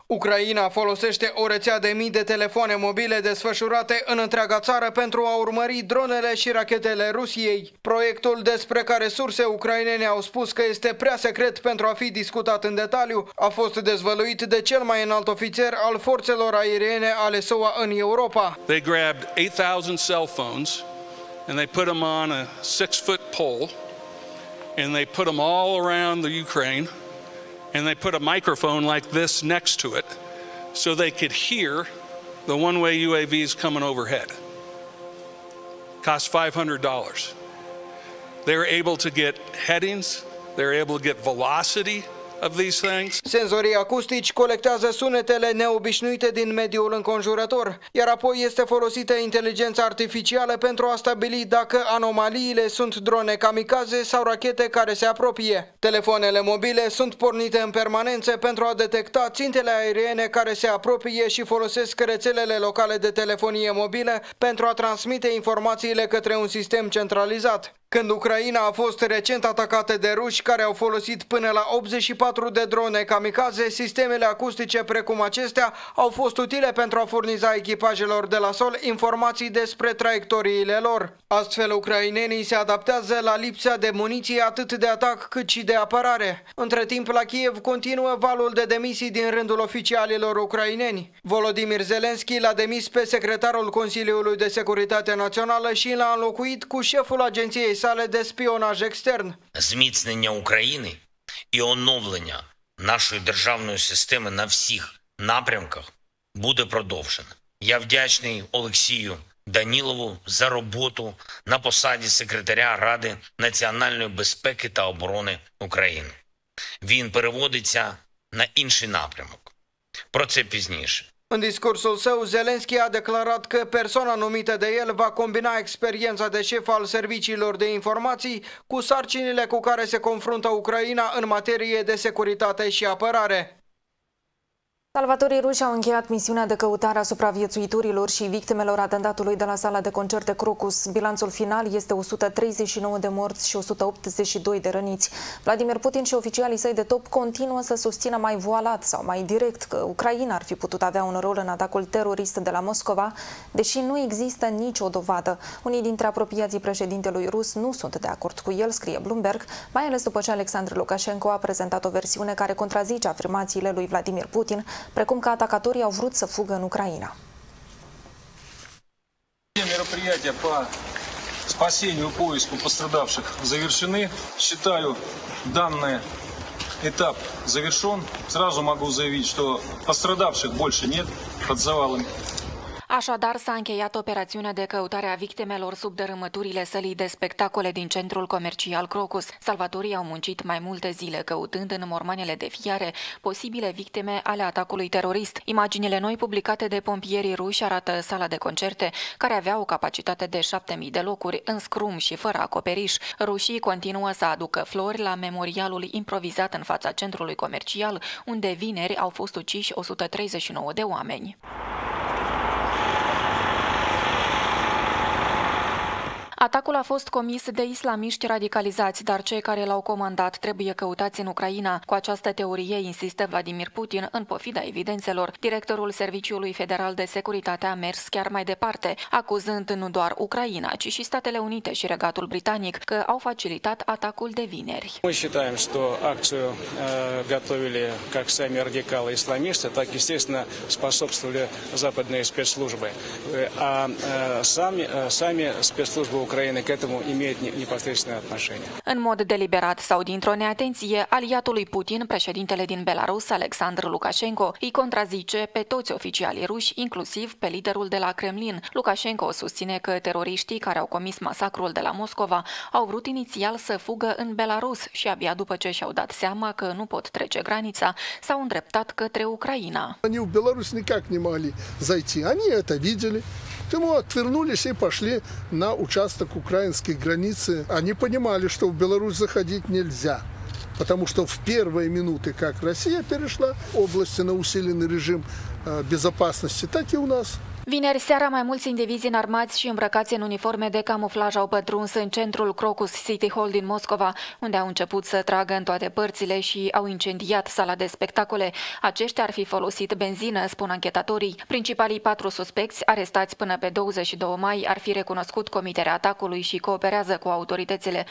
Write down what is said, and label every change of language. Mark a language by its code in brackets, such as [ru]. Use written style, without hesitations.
[ro] Ucraina folosește o rețea de mii de telefoane mobile desfășurate în întreaga țară pentru a urmări dronele și rachetele Rusiei. Proiectul, despre care surse ucrainene au spus că este prea secret pentru a fi discutat în detaliu, a fost dezvăluit de cel mai înalt ofițer al forțelor aeriene ale SUA în Europa. [en] They grabbed 8,000 cell phones and they put them on a 6-foot pole and they put them all around the Ukraine. And they put a microphone like this next to it so they could hear the one-way UAVs coming overhead. Cost $500. They're able to get headings, they're able to get velocity of these things. [ro] Senzorii acustici colectează sunetele neobișnuite din mediul înconjurător, iar apoi este folosită inteligența artificială pentru a stabili dacă anomaliile sunt drone kamikaze sau rachete care se apropie. Telefoanele mobile sunt pornite în permanență pentru a detecta țintele aeriene care se apropie și folosesc rețelele locale de telefonie mobilă pentru a transmite informațiile către un sistem centralizat. când Ucraina a fost recent atacată de ruși care au folosit până la 84 de drone kamikaze, sistemele acustice precum acestea au fost utile pentru a furniza echipajelor de la sol informații despre traiectoriile lor. Astfel, ucrainenii se adaptează la lipsa de muniție atât de atac cât și de apărare. Între timp, la Kiev continuă valul de demisii din rândul oficialilor ucraineni. Volodymyr Zelensky l-a demis pe secretarul Consiliului de Securitate Națională și l-a înlocuit cu șeful agenției sale de spionaj extern. [uk] Зміцнення України і оновлення нашої державної системи на всіх напрямках буде продовжено. Я вдячний Олексію Данілову за роботу на посаді секретаря Ради національної безпеки та оборони України. Він переводиться на інший напрямок. Про це пізніше. [ro] În discursul său, Zelensky a declarat că persoana numită de el va combina experiența de șef al serviciilor de informații cu sarcinile cu care se confruntă Ucraina în materie de securitate și apărare. Salvatorii ruși au încheiat misiunea de căutare a supraviețuitorilor și victimelor atentatului de la sala de concerte Crocus. Bilanțul final este 139 de morți și 182 de răniți. Vladimir Putin și oficialii săi de top continuă să susțină mai voalat sau mai direct că Ucraina ar fi putut avea un rol în atacul terorist de la Moscova, deși nu există nicio dovadă. Unii dintre apropiații președintelui rus nu sunt de acord cu el, scrie Bloomberg, mai ales după ce Alexandru Lukashenko a prezentat o versiune care contrazice afirmațiile lui Vladimir Putin, precum că atacatorii au vrut să fugă în Ucraina. [ru] Мероприятия по спасению поиску пострадавших завершены. Считаю данный этап завершён. Сразу могу заявить, что пострадавших больше нет под завалами. [ro] Așadar, s-a încheiat operațiunea de căutare a victimelor sub dărâmăturile sălii de spectacole din centrul comercial Crocus. Salvatorii au muncit mai multe zile căutând în mormanele de fiare posibile victime ale atacului terorist. Imaginile noi publicate de pompierii ruși arată sala de concerte, care avea o capacitate de 7.000 de locuri, în scrum și fără acoperiș. Rușii continuă să aducă flori la memorialul improvizat în fața centrului comercial, unde vineri au fost uciși 139 de oameni. Atacul a fost comis de islamiști radicalizați, dar cei care l-au comandat trebuie căutați în Ucraina. Cu această teorie insistă Vladimir Putin, în pofida evidențelor. Directorul Serviciului Federal de Securitate a mers chiar mai departe, acuzând nu doar Ucraina, ci și Statele Unite și Regatul Britanic că au facilitat atacul de vineri. [ru] Noi считаем, что акцию готовили как сами радикалы исламисты, так естественно способствовали западные спецслужбы. А сами спецслужбы Украины к этому имеет непосредственное отношение. [ro] În mod deliberat sau dintr-o neatenție, aliatul lui Putin, președintele din Belarus, Alexandru Lukashenko, îi contrazice pe toți oficialii ruși, inclusiv pe liderul de la Kremlin. Lukashenko susține că teroriștii care au comis masacrul de la Moscova au vrut inițial să fugă în Belarus și abia după ce și-au dat seama că nu pot trece granița, s-au îndreptat către Ucraina. [ru] Они в Беларусь никак не могли зайти. Они это видели. Тому отвернулись и пошли на участок украинской границы. Они понимали, что в Беларусь заходить нельзя, потому что в первые минуты, как Россия перешла области на усиленный режим безопасности, так и у нас. [ro] Vineri seara, mai mulți indivizi înarmați și îmbrăcați în uniforme de camuflaj au pătruns în centrul Crocus City Hall din Moscova, unde au început să tragă în toate părțile și au incendiat sala de spectacole. Aceștia ar fi folosit benzină, spun anchetatorii. Principalii patru suspecți, arestați până pe 22 mai, ar fi recunoscut comiterea atacului și cooperează cu autoritățile.